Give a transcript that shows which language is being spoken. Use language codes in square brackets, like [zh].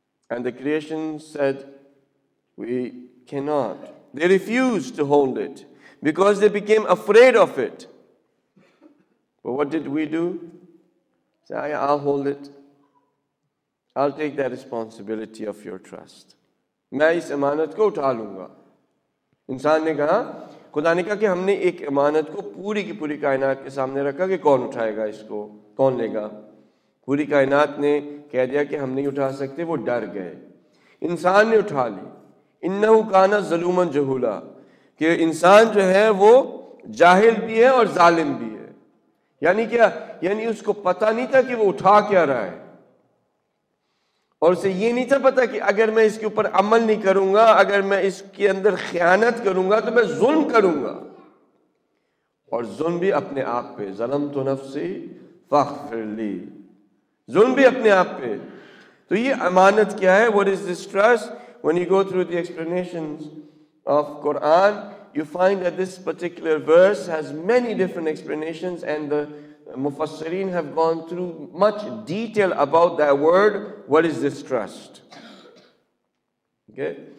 [en] And the creation said, we cannot. They refused to hold it because they became afraid of it. But what did we do? Say, I'll hold it. I'll take that responsibility of your trust. [ur] میں اس امانت کو اٹھا لوں گا. انسان نے کہا, خدا نے کہا کہ ہم نے ایک امانت کو پوری کی پوری کائنات کے سامنے رکھا کہ کون اٹھائے گا اس کو, کون لے گا. پوری کائنات نے کہہ دیا کہ ہم نہیں اٹھا سکتے, وہ ڈر گئے. انسان نے اٹھا لی. [ar] انہ کانا ظلوما جہولا, [ur] کہ انسان جو ہے وہ جاہل بھی ہے اور ظالم بھی ہے. یعنی کیا؟ یعنی اس کو پتا نہیں تھا کہ وہ اٹھا کیا رہا ہے, اور اسے یہ نہیں تھا پتا کہ اگر میں اس کے اوپر عمل نہیں کروں گا, اگر میں اس کے اندر خیانت کروں گا تو میں ظلم کروں گا, اور ظلم بھی اپنے آپ پہ. [ar] ظلم تو نفسی فاغفر لی, [ur] ظلم بھی اپنے آپ پہ. تو یہ امانت کیا ہے؟ [en] What is this trust? When you go through the explanations of Quran, you find that this particular verse has many different explanations, and the Mufassireen have gone through much detail about that word, what is this trust. Okay?